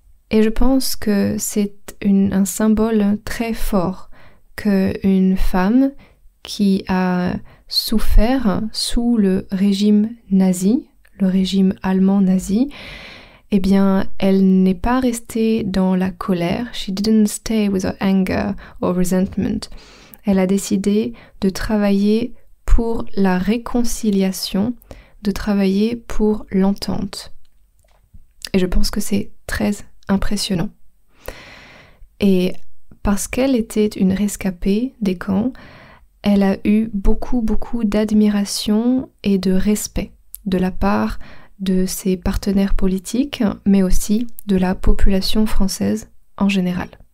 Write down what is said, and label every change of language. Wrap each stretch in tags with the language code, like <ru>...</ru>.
<fr>Et je pense que c'est un symbole très fort qu'une femme qui a souffert sous le régime nazi, le régime allemand nazi, eh bien, elle n'est pas restée dans la colère.</fr> <en>She didn't stay with her anger or resentment.</en> <fr>Elle a décidé de travailler pour la réconciliation, de travailler pour l'entente. Et je pense que c'est très impressionnant. Et parce qu'elle était une rescapée des camps, elle a eu beaucoup, beaucoup d'admiration et de respect de la part de ses partenaires politiques, mais aussi de la population française en général.</fr>